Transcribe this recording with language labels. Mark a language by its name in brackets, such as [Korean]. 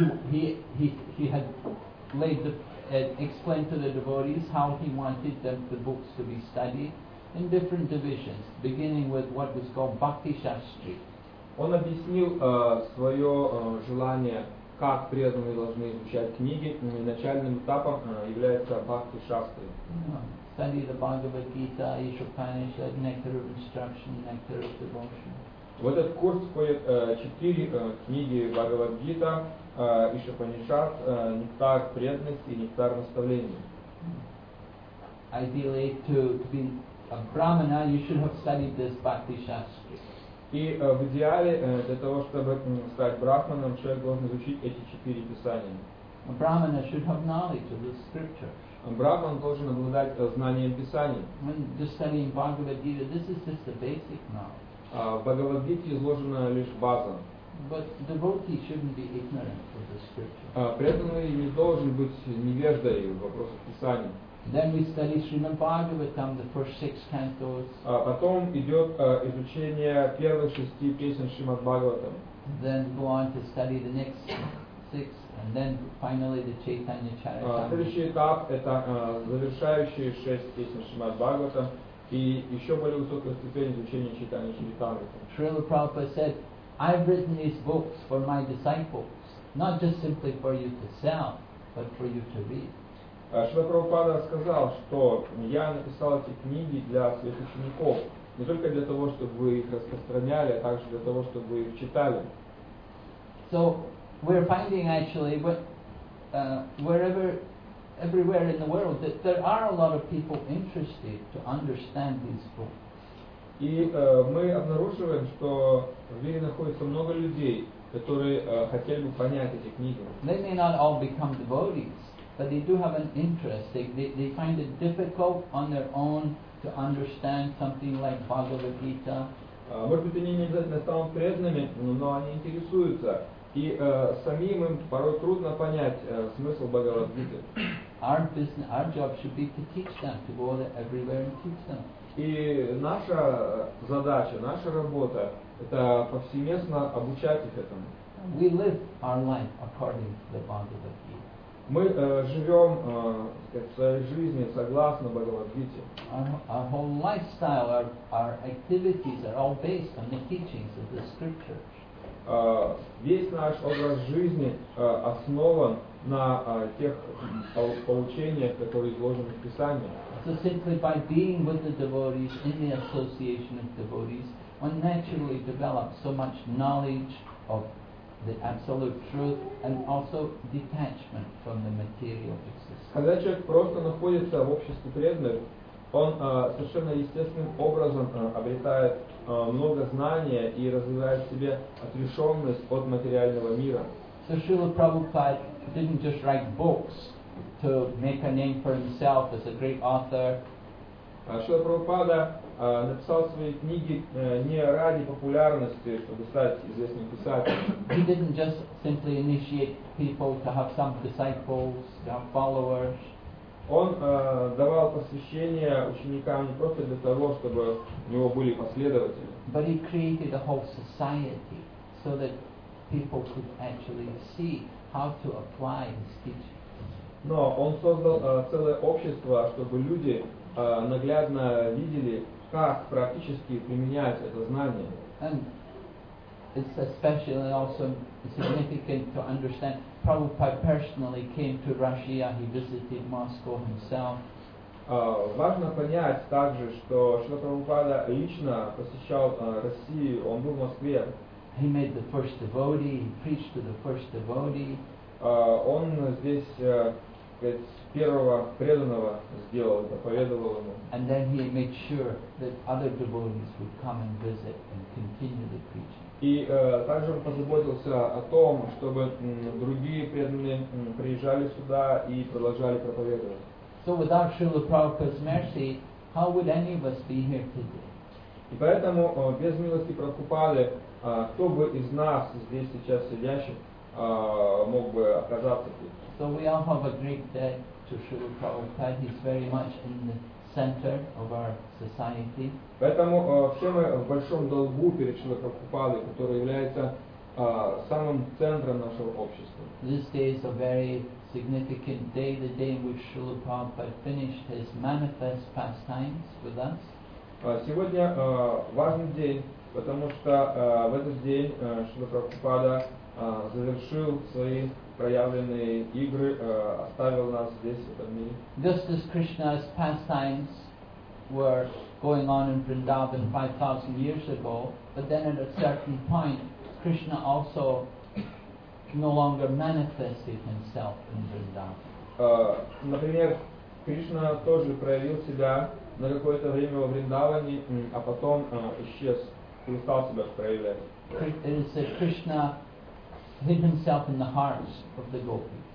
[English] He had laid the had explained to the devotees how he wanted them the books to be studied in different divisions, beginning with what was called Bhakti Shastri. [Russian] Он объяснил свое желание. Как преданные должны изучать книги, начальным этапом является Бхакти Шастри. [English] Study the Bhagavad Gita, Ishopanishad, Nectar of Instruction, Nectar of Devotion. [Russian] В этот курс входят четыре книги Бхагавад Гита, Ишопанишад, Нектар преданности и Нектар наставления. [English] Ideally, to be a Brahmana, you should have studied this Bhakti Shastri. [Russian] И в идеале, для того, чтобы стать брахманом, человек должен изучить эти четыре писания. [English] Brahmana should have knowledge of the scriptures. [Russian] Брахман должен обладать знанием писаний. [English] When just studying Bhagavad-gita, this is just the basic knowledge. [Russian] В Бхагавад-гите изложена лишь база. [English] But devotee shouldn't be ignorant of the scriptures. [Russian] Преданный не должен быть невеждой в вопросах писания. [English] Then we study Srimad Bhagavatam, the first six cantos. [Russian] Потом идет изучение первых шести песен Шримад Бхагаватам. [English] Then go on to study the next six, and then finally the Chaitanya Charitamrita. [Russian] Следующий этап – это завершающие шесть песен Шримад Бхагаватам и еще более высокая ступень изучения Чайтанья Чаритамриты. [English] Srila Prabhupada said, I've written these books for my disciples, not just simply for you to sell, but for you to read. [Russian] Шрила Прабхупада сказал, что я написал эти книги для своих учеников, не только для того, чтобы вы их распространяли, а также для того, чтобы вы их читали. [English] So we're finding actually what wherever everywhere in the world that there are a lot of people interested to understand these books. [Russian] И мы обнаруживаем, что в мире находится много людей, которые хотели бы понять эти книги. [English] They may not all become devotees. But they do have an interest. They find it difficult on their own to understand something like Bhagavad Gita. [Russian] Может быть, они не обязательно станут преданными, но они интересуются. И самим им порой трудно понять смысл Бхагавад Гиты. [English] Our job should be to teach them, to go everywhere and teach them. [Russian] И наша задача, наша работа – это повсеместно обучать их этому. [English] We live our life according to the Bhagavad Gita. [Russian] Мы живем в своей жизни согласно Бхагавад-гите. [English] Our whole lifestyle, our activities are all based on the teachings of the scriptures. [Russian] Весь наш образ жизни основан на тех поучениях, которые изложены в Писании. [English] So simply by being with the devotees, in the association of devotees, one naturally develops so much knowledge of the absolute truth and also detachment from the material existence. [Russian] Когда человек просто находится в обществе преданных, он совершенно естественным образом обретает много знания и развивает в себе отрешенность от материального мира. [English] So Srila Prabhupada didn't just write books to make a name for himself as a great author. [Russian] Шрила Прабхупада написал свои книги не ради популярности, чтобы стать известным писателем. [English] He didn't just simply initiate people to have some disciples, to have followers. [Russian] Он давал посвящение ученикам не просто для того, чтобы у него были последователи. [English] But he created a whole society so that people could actually see how to apply his teachings. [Russian] Но он создал целое общество, чтобы люди наглядно видели, как практически применять это знание. [English] And it's especially also significant to understand Prabhupada personally came to Russia, he visited Moscow himself. [Russian] Важно понять также, что Шрила Прабхупада лично посещал Россию, он был в Москве. [English] He made the first devotee, he preached to the first devotee. [Russian] Он здесь первого преданного сделал, проповедовал ему. [English] And then he made sure that other devotees would come and visit and continue the preaching. [Russian] И также он позаботился о том, чтобы другие преданные приезжали сюда и продолжали проповедовать. [English] So without Srila Prabhupada's mercy, how would any of us be here today? [Russian] И поэтому без милости Прабхупады, кто бы из нас здесь сейчас сидящих мог бы оказаться тут? [English] So we all have a great debt to Srila Prabhupada. He's very much in the center of our society. [Russian] Поэтому все мы в большом долгу перед Шрилой Прабхупадой, который является самым центром нашего общества. [English] This day is a very significant day, the day in which Srila Prabhupada finished his manifest pastimes with us. [Russian] Сегодня важный день, потому что в этот день Шрила Прабхупада завершил свои проявленные игры, оставил нас здесь, в этом мире. [English] Just as Krishna's pastimes were going on in Vrindavan 5,000 years ago, but then at a certain point, Krishna also no longer manifested himself in Vrindavan. [Russian] Например, Кришна тоже проявил себя на какое-то время во Вриндаване, а потом исчез, перестал себя проявлять. [English] It is that Krishna hid himself in the hearts of the gopis.